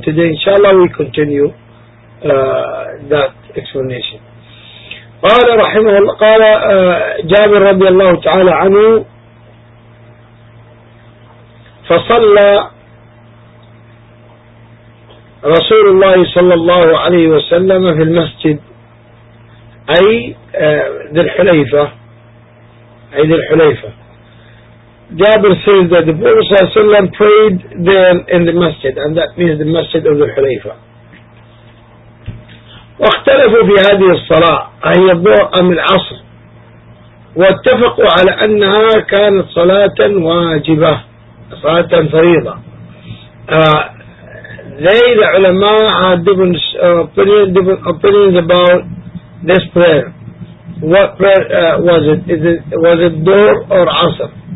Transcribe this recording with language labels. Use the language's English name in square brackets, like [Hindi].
[English] And today, inshallah, we continue that explanation. [Arabic] قال رحمه الله قال جابر رضي الله تعالى عنه فصلى رسول الله صلى الله عليه وسلم في المسجد، أي ذي الحليفة، أي ذي الحليفة. [English] Jabir says that the Prophet [Arabic] صلى الله عليه وسلم [English] prayed there in the masjid, and that means the masjid of the Hulayfa. [Arabic] واختلفوا في هذه الصلاة هي الظهر أم العصر، واتفقوا على أنها كانت صلاة واجبة، صلاة فريضة. [English] They, the ulama, had different opinions about this prayer. What prayer was it? Was it dhuhr or asr?